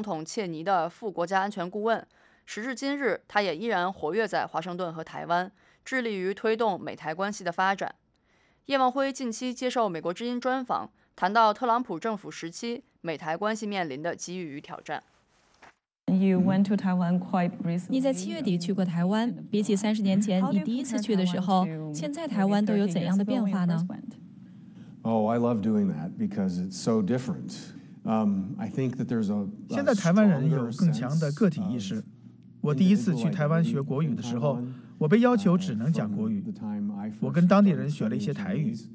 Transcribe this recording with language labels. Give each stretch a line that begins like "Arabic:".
Chinese: 提到美台关系，叶望辉应该是一个熟悉的名字。他促成了特朗普当选后与台湾总统蔡英文的历史性通话。叶望辉曾在上个世纪80年代晚期作为摩门教传教士前往台湾，在他看来，那段经历改变了他的一生。小布什政府时期，叶望辉曾担任副总统切尼的副国家安全顾问。时至今日，他也依然活跃在华盛顿和台湾，致力于推动美台关系的发展。叶望辉近期接受美国之音专访，谈到特朗普政府时期美台关系面临的机遇与挑战。你在7月底去过台湾，比起30年前你第一次去的时候，现在台湾都有怎样的变化呢？
English: Oh, I love doing that because it's so different. I think that there's a
Chinese: 现在台湾人有更强的个体意识。我第一次去台湾学国语的时候，我被要求只能讲国语。我跟当地人学了一些台语，